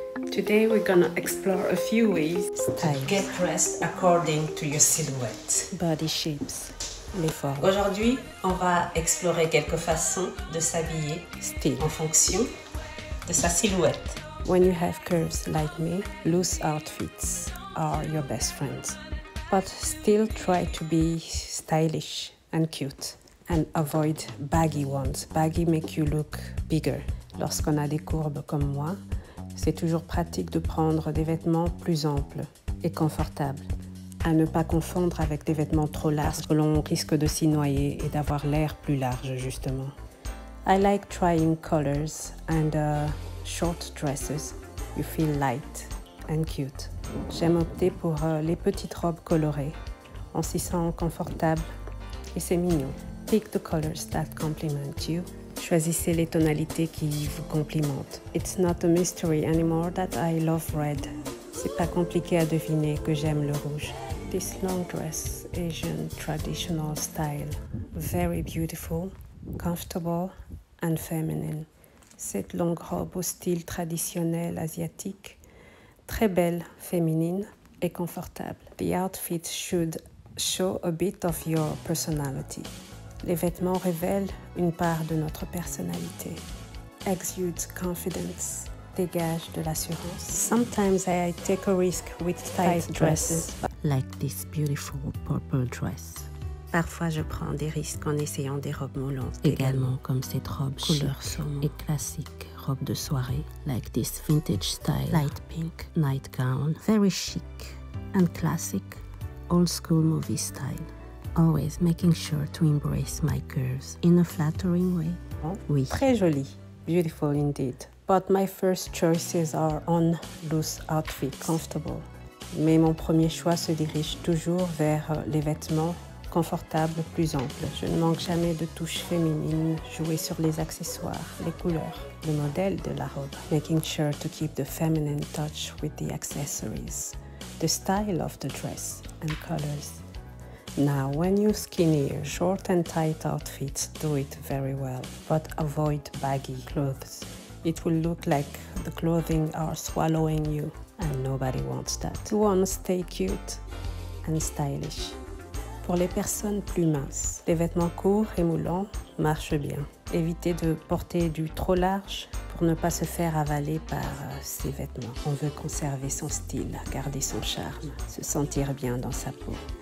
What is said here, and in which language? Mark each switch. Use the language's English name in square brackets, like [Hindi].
[English] Today we're gonna explore a few ways to get dressed according to your silhouette. Body shapes, [French] les formes. Aujourd'hui, on va explorer quelques façons de s'habiller style en fonction de sa silhouette. [English] When you have curves like me, loose outfits are your best friends. But still try to be stylish and cute and avoid baggy ones. Baggy make you look bigger. [French] Lorsqu'on a des courbes comme moi, c'est toujours pratique de prendre des vêtements plus amples et confortables. À ne pas confondre avec des vêtements trop larges, parce que l'on risque de s'y noyer et d'avoir l'air plus large justement. [English] I like trying colors and short dresses. You feel light and cute. [French] J'aime opter pour les petites robes colorées. On s'y sent confortable et c'est mignon. [English] Pick the colors that compliment you. [French] Choisissez les tonalités qui vous complimentent. [English] It's not a mystery anymore that I love red. [French] C'est pas compliqué à deviner que j'aime le rouge. [English] This long dress, Asian traditional style. Very beautiful, comfortable and feminine. [French] Cette longue robe au style traditionnel asiatique. Très belle, féminine et confortable. [English] The outfit should show a bit of your personality. [French] Les vêtements révèlent une part de notre personnalité. [English] Exude confidence, [French] dégage de l'assurance. [English] Sometimes I take a risk with tight dresses. Like this beautiful purple dress. [French] Parfois je prends des risques en essayant des robes moulantes. Également comme cette robe couleur saumon et classique. Robe de soirée, [English] like this vintage style, light pink nightgown, very chic and classic, old school movie style. Always making sure to embrace my curves in a flattering way. [French] Oui. Très jolie, [English] beautiful indeed. But my first choices are on loose outfit, comfortable. [French] Mais mon premier choix se dirige toujours vers les vêtements confortables, plus amples. Je ne manque jamais de touches féminines, jouer sur les accessoires, les couleurs. Le modèle de la robe. [English] Making sure to keep the feminine touch with the accessories. The style of the dress and colors. Now, when you're skinnier, short and tight outfits do it very well. But avoid baggy clothes. It will look like the clothing are swallowing you. And nobody wants that. You want to stay cute and stylish. [French] Pour les personnes plus minces, les vêtements courts et moulants marchent bien. Évitez de porter du trop large pour ne pas se faire avaler par ses vêtements. On veut conserver son style, garder son charme, se sentir bien dans sa peau.